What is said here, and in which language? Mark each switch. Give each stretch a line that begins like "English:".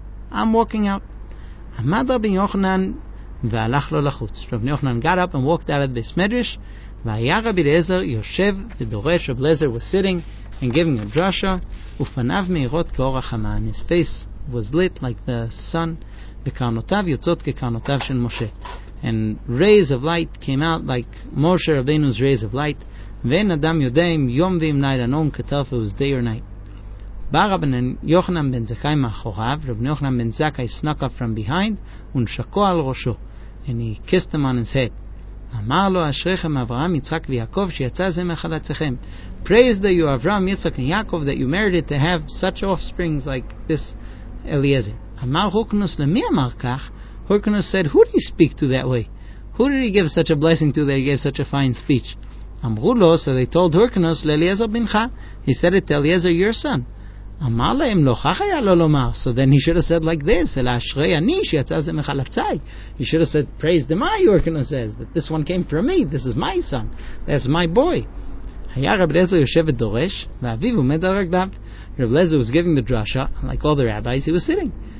English: I'm walking out.
Hebrew: Amad Rabbi Yochanan והלך לו לחוץ.
English: Rav Nochman got up and walked out of the Beis Medrash.
Hebrew: והיה רבי אליעזר יושב ודורש.
English: Rav Lezer was sitting and giving a drasha.
Hebrew: ופניו מאירות כאור החמה.
English: And his face was lit like the sun.
Hebrew: וקרנותיו יוצאות כקרנותיו של משה.
English: And rays of light came out like Moshe Rabbeinu's rays of light.
Hebrew: ואין אדם יודע אם יום ואם לילה.
English: No one could tell if it was day or night.
Hebrew: בא רב יוחנן בן זכאי מאחוריו,
English: רב יוחנן בן זכאי snuck up from behind,
Hebrew: ונשקו על ראשו,
English: and he kissed him on his head.
Hebrew: אמר לו, אשריכם אברהם, יצחק ויעקב, שיצא זה מחלציכם.
English: Praise that you, אברהם, יצחק ויעקב, that you merited to have such offsprings like this Eliezer.
Hebrew: אמר הורקנוס, למי אמר כך?
English: הורקנוס said, who did he speak to that way? Who did he give such a blessing to that he gave such a fine speech?
Hebrew: אמרו לו,
English: so they told
Hebrew: הורקנוס, לאליעזר בנך.
English: He said it to Eliezer, your son.
Hebrew: אמר להם, לא כך היה לו לומר.
English: So then he should have said like this,
Hebrew: אלא אשרי אני שיצא זה מחלצי.
English: He should have said, praise the my, Yorkana says, that this one came from me, this is my son, that's my boy.
Hebrew: היה רב לזר יושב ודורש, ואביו עומד על רגליו.
English: רב לזר was giving the drasha, like all the rabbis, he was sitting.